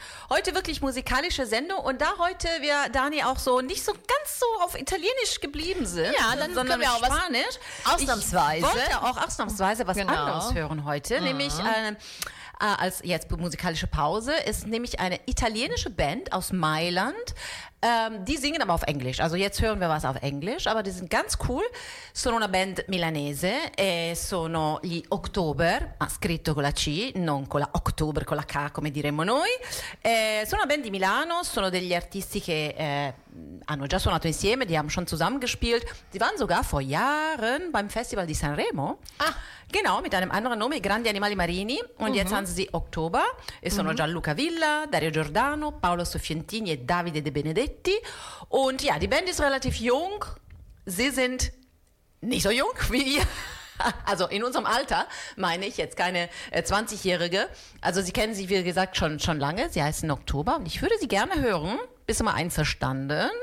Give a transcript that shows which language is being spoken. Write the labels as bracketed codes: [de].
[de] Heute wirklich musikalische Sendung und da heute wir, Dani, auch so nicht so ganz so auf Italienisch geblieben sind, ja, dann sondern können wir auch Spanisch. Ich wollte auch ausnahmsweise was genau. Anders hören heute, nämlich als jetzt musikalische Pause, ist nämlich eine italienische Band aus Mailand, die singen aber auf Englisch, also jetzt hören wir was auf Englisch, aber die sind ganz cool, [it] sono una band milanese, e sono gli October, ma scritto con la C, non con la October, con la K come diremmo noi, sono una band di Milano, sono degli artisti che... hanno già suonato insieme, [de] die haben schon zusammengespielt. Sie waren sogar vor Jahren beim Festival di Sanremo. Ah, genau, mit einem anderen Nome, Grandi Animali Marini. Und jetzt haben sie Oktober. [it] Es sono Gianluca Villa, Dario Giordano, Paolo Soffientini e Davide De Benedetti. [de] Und ja, die Band ist relativ jung. Sie sind nicht so jung wie ihr. Also in unserem Alter meine ich jetzt keine 20-Jährige. Also sie kennen sie, wie gesagt, schon lange. Sie heißen Oktober und ich würde sie gerne hören. Bist du mal einverstanden?